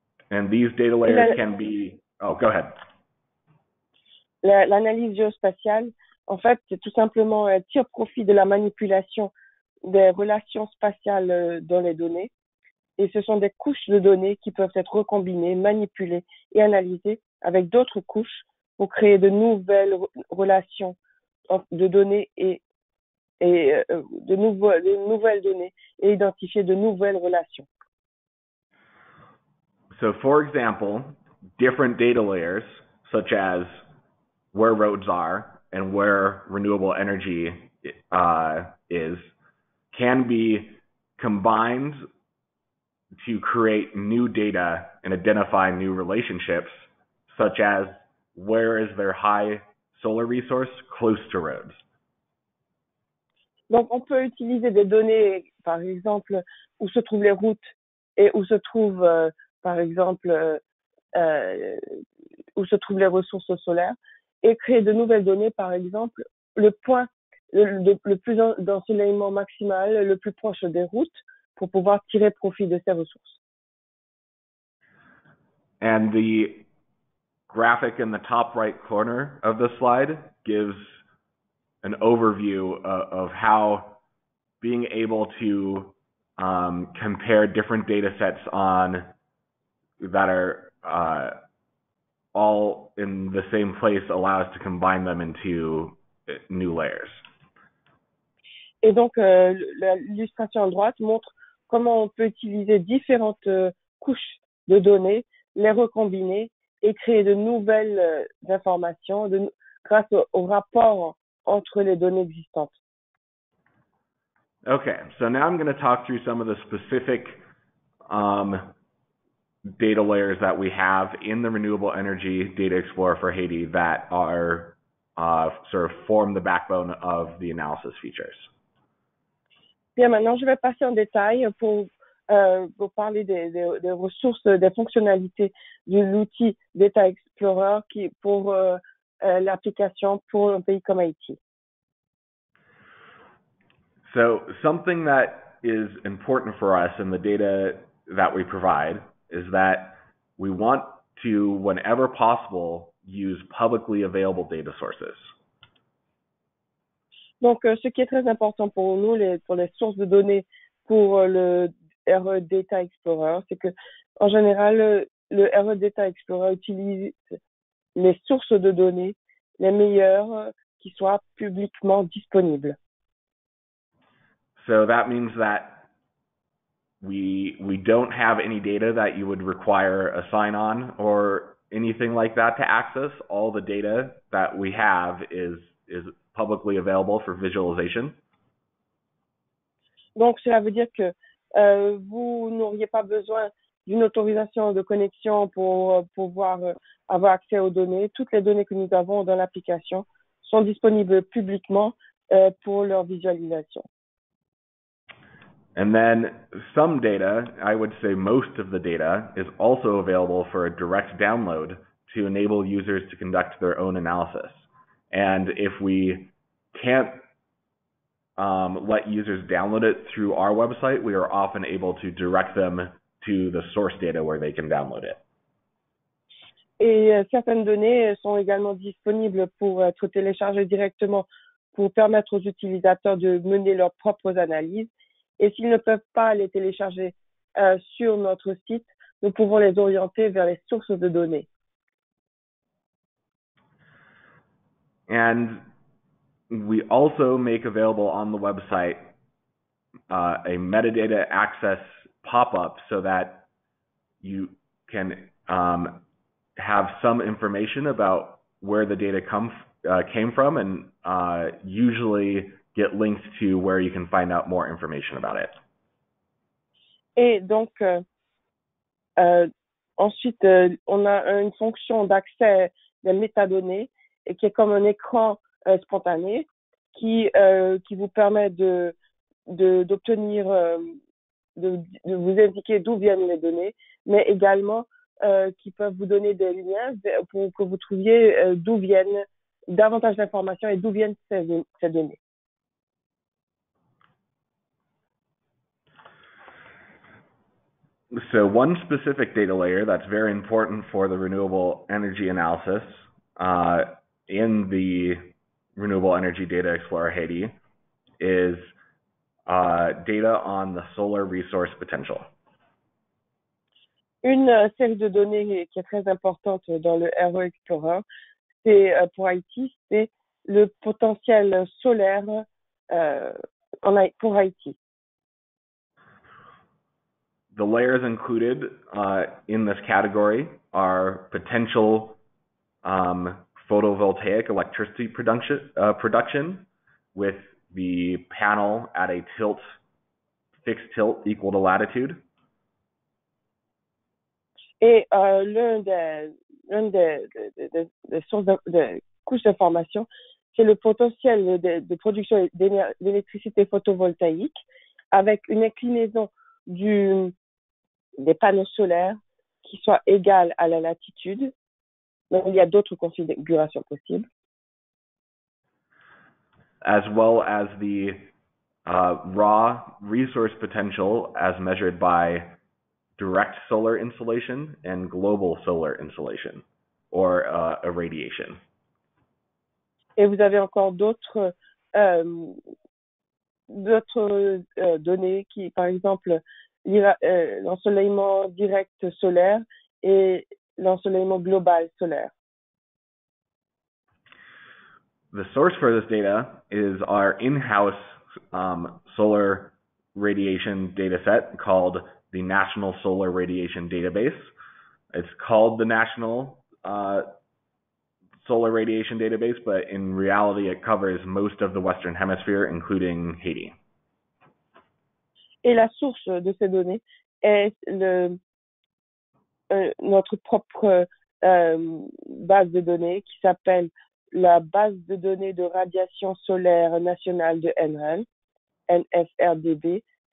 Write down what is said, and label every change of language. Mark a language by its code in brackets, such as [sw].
[en] And these data layers can be... Oh, go ahead. [fr] L'analyse géospatiale, en fait, c'est tout simplement tire profit de la manipulation des relations spatiales dans les données, et ce sont des couches de données qui peuvent être recombinées, manipulées et analysées avec d'autres couches pour créer de nouvelles relations de données et de nouvelles données et identifier de nouvelles relations. [en] So for example, different data layers such as where roads are and where renewable energy is can be combined to create new data and identify new relationships such as where is there high solar resource close to roads? [fr] Donc, on peut utiliser des données, par exemple, où se trouvent les routes et où se trouvent, par exemple, où se trouvent les ressources solaires et créer de nouvelles données, par exemple, le point le plus d'ensoleillement maximal, le plus proche des routes, pour pouvoir tirer profit de ces ressources. [en] And the graphic in the top right corner of the slide gives an overview of how being able to compare different data sets on that are all in the same place allows to combine them into new layers. [fr] Et donc l'illustration à droite montre comment on peut utiliser différentes couches de données, les recombiner et créer de nouvelles informations grâce au rapport entre les données existantes. [en] Okay, so now I'm going to talk through some of the specific data layers that we have in the Renewable Energy Data Explorer for Haiti that are sort of form the backbone of the analysis features. [fr] Bien, maintenant je vais passer en détail pour parler des ressources, des fonctionnalités de l'outil Data Explorer qui pour l'application pour un pays comme Haïti. [en] So something that is important for us in the data that we provide is that we want to, whenever possible, use publicly available data sources. [fr] Donc, ce qui est très important pour nous, pour les sources de données pour le RE Data Explorer, c'est que, en général, le RE Data Explorer utilise les sources de données les meilleures qui soient publiquement disponibles. [en] So that means that we don't have any data that you would require a sign-on or anything like that to access. All the data that we have is publicly available for visualization. [fr] Donc cela veut dire que vous n'auriez pas besoin d'une autorisation de connexion pour pouvoir avoir accès aux données. Toutes les données que nous avons dans l'application sont disponibles publiquement pour leur visualisation. [en] And then some data, I would say most of the data, is also available for a direct download to enable users to conduct their own analysis. And if we can't let users download it through our website, we are often able to direct them to the source data where they can download it. [fr] Et certaines données sont également disponibles pour être téléchargées directement pour permettre aux utilisateurs de mener leurs propres analyses. Et s'ils ne peuvent pas les télécharger sur notre site, nous pouvons les orienter vers les sources de données. [en] And we also make available on the website a metadata access pop-up so that you can have some information about where the data came from and usually get links to where you can find out more information about it. [fr] Et donc, ensuite, on a une fonction d'accès des métadonnées et qui est comme un écran spontané qui vous permet d'obtenir, de vous indiquer d'où viennent les données, mais également qui peuvent vous donner des liens pour que vous trouviez d'où viennent davantage d'informations et d'où viennent ces données. [en] So one specific data layer that's very important for the renewable energy analysis in the Renewable Energy Data Explorer Haiti is data on the solar resource potential. [fr] Une série de données qui est très importante dans le RE Explorer, c'est pour Haïti, c'est le potentiel solaire pour Haïti. [en] The layers included in this category are potential photovoltaic electricity production with the panel at a tilt, fixed tilt equal to latitude. [fr] Et l'une des sources de couches de formation, c'est le potentiel de production d'électricité photovoltaïque avec une inclinaison des panneaux solaires qui soit égale à la latitude. Mais il y a d'autres configurations possibles. [en] As well as the raw resource potential as measured by direct solar insolation and global solar insolation or irradiation. [fr] Et vous avez encore d'autres données qui, par exemple, l'ensoleillement direct solaire et l'ensoleillement global solaire. [en] The source for this data is our in-house solar radiation data set called the National Solar Radiation Database. It's called the National Solar Radiation Database, but in reality, it covers most of the Western Hemisphere, including Haiti. [fr] Et la source de ces données est notre propre base de données qui s'appelle la base de données de radiation solaire nationale de NREL, NFRDB.